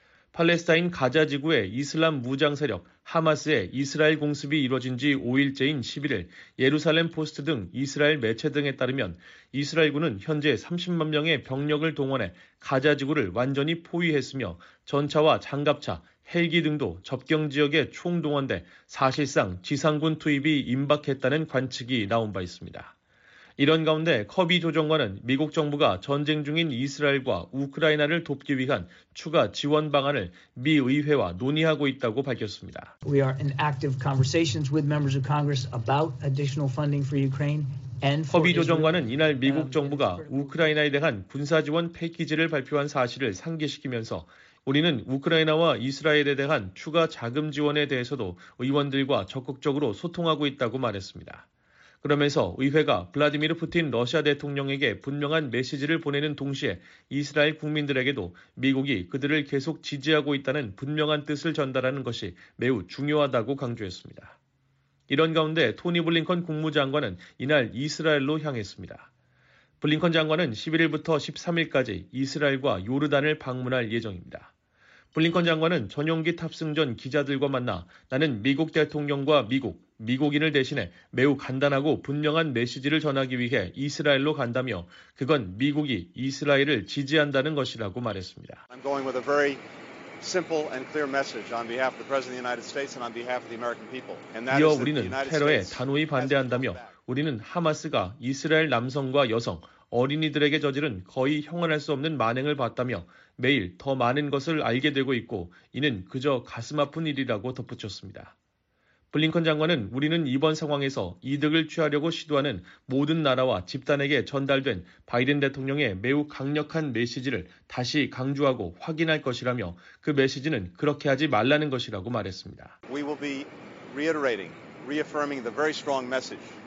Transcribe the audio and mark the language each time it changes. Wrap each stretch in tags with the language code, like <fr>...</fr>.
<ko>팔레스타인 가자지구의 이슬람 무장세력 하마스의 이스라엘 공습이 이뤄진 지 5일째인 11일 예루살렘 포스트 등 이스라엘 매체 등에 따르면 이스라엘군은 현재 30만 명의 병력을 동원해 가자지구를 완전히 포위했으며 전차와 장갑차, 헬기 등도 접경지역에 총동원돼 사실상 지상군 투입이 임박했다는 관측이 나온 바 있습니다. 이런 가운데 커비 조정관은 미국 정부가 전쟁 중인 이스라엘과 우크라이나를 돕기 위한 추가 지원 방안을 미 의회와 논의하고 있다고 밝혔습니다.</ko> <en>We are in active conversations with members of Congress about additional funding for Ukraine.</en> <ko>커비 조정관은 이날 미국 정부가 우크라이나에 대한 군사 지원 패키지를 발표한 사실을 상기시키면서 우리는 우크라이나와 이스라엘에 대한 추가 자금 지원에 대해서도 의원들과 적극적으로 소통하고 있다고 말했습니다. 그러면서 의회가 블라디미르 푸틴 러시아 대통령에게 분명한 메시지를 보내는 동시에 이스라엘 국민들에게도 미국이 그들을 계속 지지하고 있다는 분명한 뜻을 전달하는 것이 매우 중요하다고 강조했습니다. 이런 가운데 토니 블링컨 국무장관은 이날 이스라엘로 향했습니다. 블링컨 장관은 11일부터 13일까지 이스라엘과 요르단을 방문할 예정입니다. 블링컨 장관은 전용기 탑승 전 기자들과 만나 나는 미국 대통령과 미국, 미국인을 대신해 매우 간단하고 분명한 메시지를 전하기 위해 이스라엘로 간다며 그건 미국이 이스라엘을 지지한다는 것이라고 말했습니다.</ko> <en>I'm going with a very simple and clear message on behalf of the President of the United States and on behalf of the American people. And that is</en> <ko>이어 우리는 테러에 단호히 반대한다며 우리는 하마스가 이스라엘 남성과 여성, 어린이들에게 저지른 거의 형언할 수 없는 만행을 봤다며 매일 더 많은 것을 알게 되고 있고 이는 그저 가슴 아픈 일이라고 덧붙였습니다. 블링컨 장관은 우리는 이번 상황에서 이득을 취하려고 시도하는 모든 나라와 집단에게 전달된 바이든 대통령의 매우 강력한 메시지를 다시 강조하고 확인할 것이라며 그 메시지는 그렇게 하지 말라는 것이라고 말했습니다.</ko> <en>We will be reiterating, reaffirming the very strong message.</en>